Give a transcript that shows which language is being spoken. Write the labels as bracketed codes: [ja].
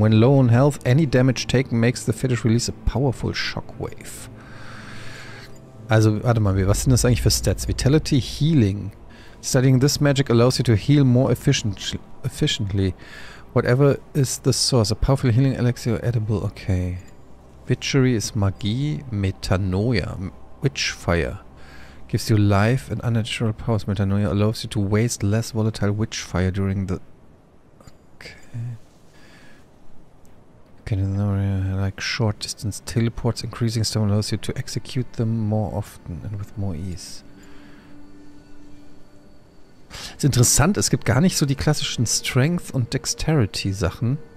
[en] When low on health, any damage taken makes the fetish release a powerful shockwave. [de] Also, warte mal, was sind das eigentlich für Stats? [en] Vitality, Healing. Studying this magic allows you to heal more efficiently. Whatever is the source. A powerful healing elixir edible. Okay. Witchery is Magie. Metanoia. Witchfire. Gives you life and unnatural powers. Metanoia allows you to waste less volatile witchfire during the... Like short distance teleports, increasing stamina allows you to execute them more often and with more ease. [de] Ist interessant, es gibt gar nicht so die klassischen Strength und Dexterity Sachen.